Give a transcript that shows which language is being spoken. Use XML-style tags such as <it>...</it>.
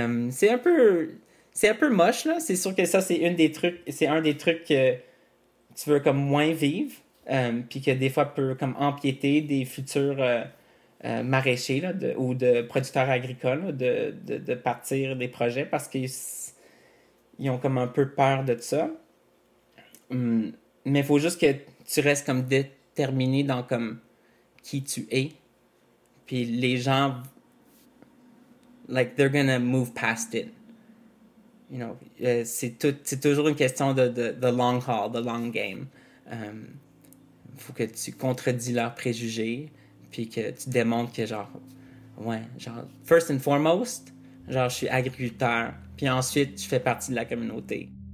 <fr>C'est un peu moche, là. C'est sûr que ça, c'est un des trucs que tu veux comme moins vivre, puis que des fois peut comme empiéter des futurs maraîchers là, ou de producteurs agricoles là, de partir des projets parce qu'ils ont comme un peu peur de ça. Mais il faut juste que tu restes comme déterminé dans comme qui tu es. Puis les gens,</fr> <en>like, they're gonna move past it. You know,</en> <fr>c'est toujours une question de</fr> <en>the long haul, the long game.</en> <fr>Faut que tu contredis leurs préjugés, puis que tu démontres que genre, ouais, genre,</fr> <en>first and foremost,</en> <fr>genre, je suis agriculteur, puis ensuite, je fais partie de la communauté.</fr>